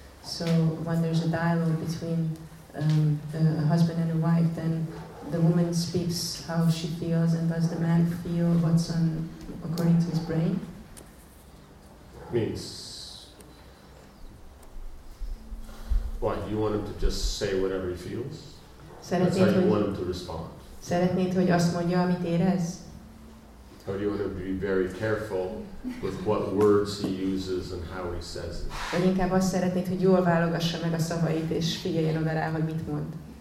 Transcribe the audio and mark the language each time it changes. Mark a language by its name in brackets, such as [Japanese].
[English] So when there's a dialogue between a husband and a wife, then the woman speaks how she feels, and does the man feel what's on according to his brain? Means. Why? You want him to just say whatever he feels? [Hungarian] Szeretnéd, [English] that's how you want him to respond. [Hungarian] Szeretnéd, hogy azt mondja, amit érez? [English] Or do you want him to be very careful with what words he uses and how he says it? [Hungarian] Vagy inkább azt szeretnéd, hogy jól válogassa meg a szavait, és figyeljen oda rá, hogy mit mond.